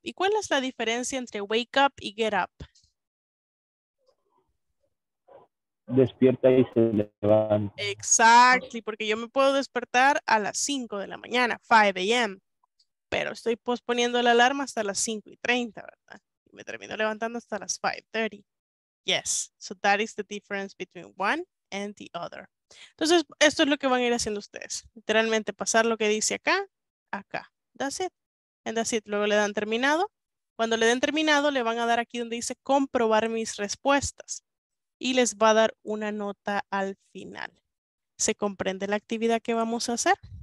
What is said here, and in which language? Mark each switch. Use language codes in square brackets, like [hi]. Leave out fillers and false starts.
[es] ¿Y cuál es la diferencia entre wake up y get up? Despierta y se levanta. [en] Exactly. [es] Porque yo me puedo despertar a las 5 de la mañana, 5 a.m. Pero estoy posponiendo la alarma hasta las 5:30, ¿verdad? Me termino levantando hasta las 5:30. [en] Yes, so that is the difference between one and the other. [es] Entonces, esto es lo que van a ir haciendo ustedes. Literalmente pasar lo que dice acá, acá. [en] That's it. And that's it. [es] Luego le dan terminado. Cuando le den terminado, le van a dar aquí donde dice comprobar mis respuestas. Y les va a dar una nota al final. ¿Se comprende la actividad que vamos a hacer?